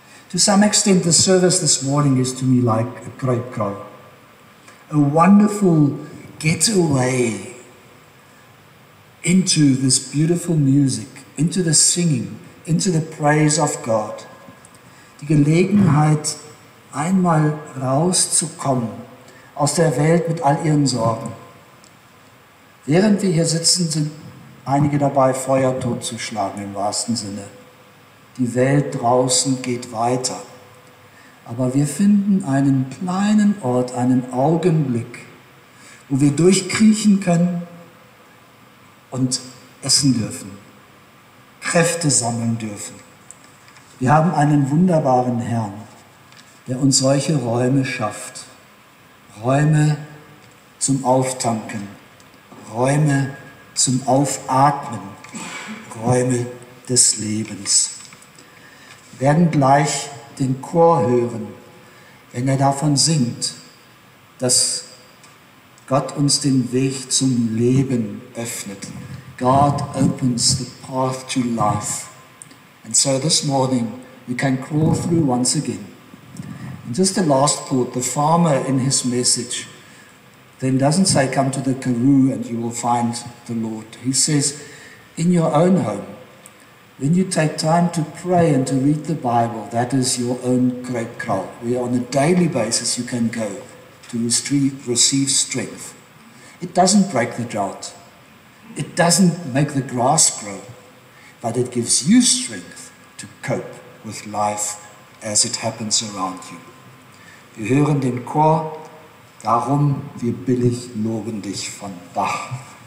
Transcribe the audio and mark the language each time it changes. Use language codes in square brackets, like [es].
[en] To some extent, the service this morning is to me like a great crow, a wonderful getaway into this beautiful music, into the singing, into the praise of God. [de] Die Gelegenheit, einmal rauszukommen aus der Welt mit all ihren Sorgen. Während wir hier sitzen, sind einige dabei, Feuer totzuschlagen, im wahrsten Sinne. Die Welt draußen geht weiter. Aber wir finden einen kleinen Ort, einen Augenblick, wo wir durchkriechen können und essen dürfen, Kräfte sammeln dürfen. Wir haben einen wunderbaren Herrn, der uns solche Räume schafft. Räume zum Auftanken, Räume zum Aufatmen, Räume des Lebens. Wir werden gleich den Chor hören, wenn er davon singt, dass Gott uns den Weg zum Leben öffnet. [en] God opens the path to life. And so this morning, we can crawl through once again. And just the last thought, the farmer in his message then doesn't say, come to the Karoo and you will find the Lord. He says, in your own home, when you take time to pray and to read the Bible, that is your own great kraal, where on a daily basis you can go to receive strength. It doesn't break the drought. It doesn't make the grass grow, but it gives you strength to cope with life as it happens around you. [de] Wir hören den Chor, darum wir billig loben dich von Bach.